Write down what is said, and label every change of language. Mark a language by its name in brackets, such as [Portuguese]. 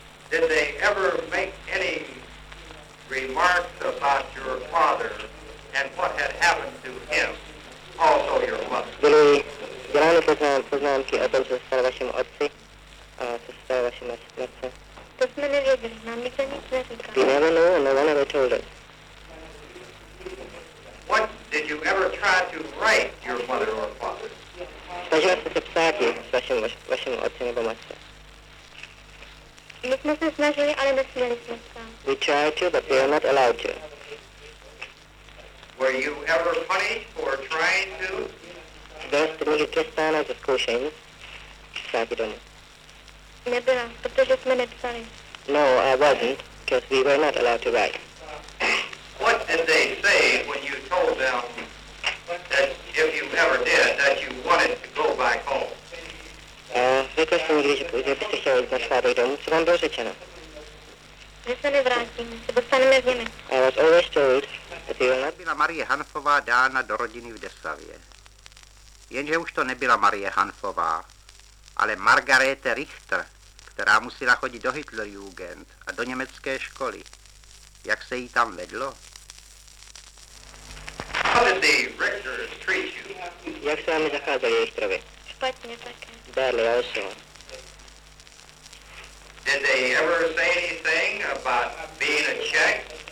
[English] Did they ever make any remarks about your father and what had happened to him, also your mother? [Czech] Byli dělány poznámky o tom, co se stalo vašemu otci a co se stalo vašemu matce. To jsme nevěděli, nám nikdo nic neříkal. [English] We never knew, no one ever told us. What did you ever try to write your mother or father? [Czech] Snažila jste se psát jí s vašemu otci nebo matce. My jsme se snažili, ale nesměli jsme psát. [English] We tried to, but we are not allowed to. Were you ever punished for trying to? [Czech] Byla jste někdy trestána za zkoušení psát domů? Nebyla, protože jsme nepsali. [English] No, I wasn't, because we were not allowed to write. What did they say when you told them that if you ever did, that you wanted to go back home? [Czech] Řekl jste někdy, že byste chtěli jít na svátek domů, co vám bylo řečeno? My se nevrátíme, se dostaneme v Německu. [English] I was always told that you were not. [Czech] Byla Marie Hanfová dána do rodiny v Deslavě. Jenže už to nebyla Marie Hanfová, ale Margarete Richter, která musela chodit do Hitlerjugend a do německé školy. Jak se jí tam vedlo? [English] How did the Richters treat you? [Czech] Jak se vám zacházeli Richterovi? Špatně také. [English] Badly also. Did they ever say anything about being a Czech?